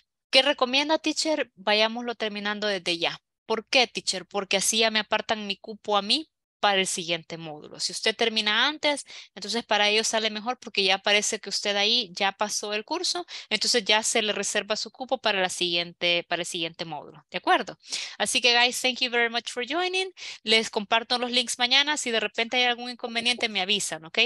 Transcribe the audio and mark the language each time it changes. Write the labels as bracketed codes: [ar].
[es] ¿Qué recomienda, teacher? Vayámoslo terminando desde ya. ¿Por qué, teacher? Porque así ya me apartan mi cupo a mí para el siguiente módulo. Si usted termina antes, entonces para ellos sale mejor porque ya parece que usted ahí ya pasó el curso, entonces ya se le reserva su cupo para la siguiente, para el siguiente módulo, ¿de acuerdo? Así que, [en] guys, thank you very much for joining. [es] Les comparto los links mañana. Si de repente hay algún inconveniente, me avisan, ¿ok?